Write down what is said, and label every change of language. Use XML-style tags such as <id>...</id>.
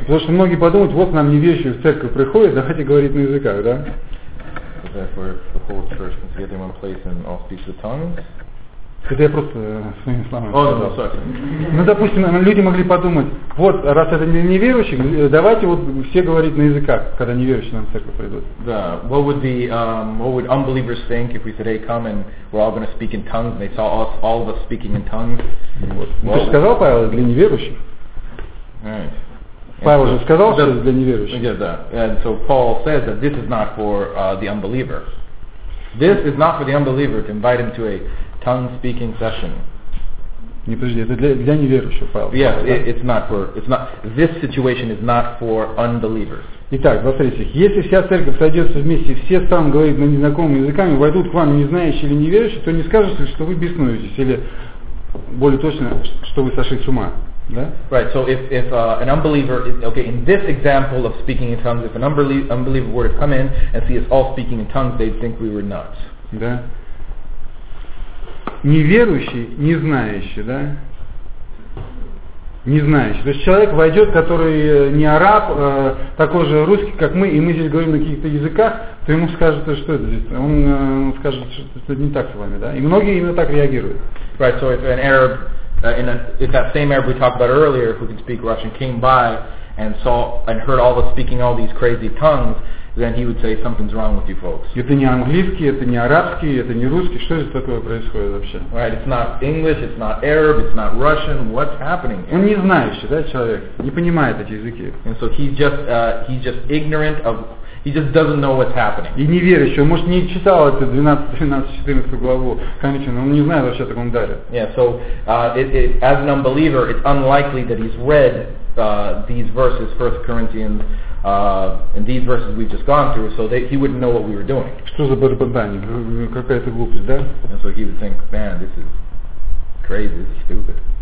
<ru>Потому что многие подумают, вот нам неверующие в церковь приходят, давайте говорить на языках, да?</ru> <en>Therefore, the whole church can together in one place and all speak the tongues.</en> <ru>Это я просто своими словами.</ru> <en>Oh, no, sorry.</en> <ru>Ну, допустим, люди могли подумать, вот, раз это неверующий, давайте вот все говорить на языках, когда неверующие нам в церковь придут. Да.</ru> <en>What would the what would unbelievers think if we said, hey, come and we're all going to speak in tongues, and they saw us, all of us speaking in tongues?</en> <ru>Вот. Ну, ты же сказал, Павел, для неверующих.</ru> <en>Right.</en> <ru>Павел уже сказал, что это для неверующих.</ru> <en>Yeah,</en> <ru>да.</ru> <en>And so Paul says that this is not for the unbeliever. This is not for the unbeliever to invite him to a tongue-speaking session.</en> <ru>Не, подожди, это для неверующих, Павел.</ru> <en>Yes,</en> <ru>да?</ru> <en>it's not. This situation is not for unbelievers.</en> <ru>Итак, смотрите, если вся церковь сойдется вместе, все там говорят на незнакомых языках, войдут к вам незнающие или неверующие, то не скажете, что вы беснуетесь, или более точно, что вы сошли с ума, да?</ru> <en>Right. So if an unbeliever, okay, in this example of speaking in tongues, if an unbeliever were to come in and see us all speaking in tongues, they'd think we were nuts.</en> <ru>Да. Неверующий, не знающий, да? Не знающий. То есть человек войдет, который не араб, такой же русский, как мы, и мы здесь говорим на каких-то языках, то ему скажут, что это здесь. Он скажет, что это не так с вами, да? И многие именно так реагируют.</ru> <en>Right, so if an Arab, if that same Arab we talked about earlier, who can speak Russian, came by and saw and heard all of us speaking all these crazy tongues, then he would say something's wrong with you folks.</en> <ru>Это не английский, это не арабский, это не русский. Что здесь такое происходит вообще?</ru> <en>Right, it's not English, it's not Arab, it's not Russian. What's happening here?</en> <ru>Он не знающий, да, человек, не понимает эти языки.</ru> <en>And so he's just ignorant of, he just doesn't know what's happening.</en> <ru>И неверующий, он может не читал эту 12-14 главу, конечно, но он не знает вообще о таком даре.</ru> <en>Yeah, so it, as an unbeliever, it's unlikely that he's read these verses, 1 Corinthians. And these verses we've just gone through, so he wouldn't know what we were doing.</en> <ru>Что за бормотание? Какая-то глупость, да?</ru> <en>And so he would think, man, this is crazy, this is stupid.</en>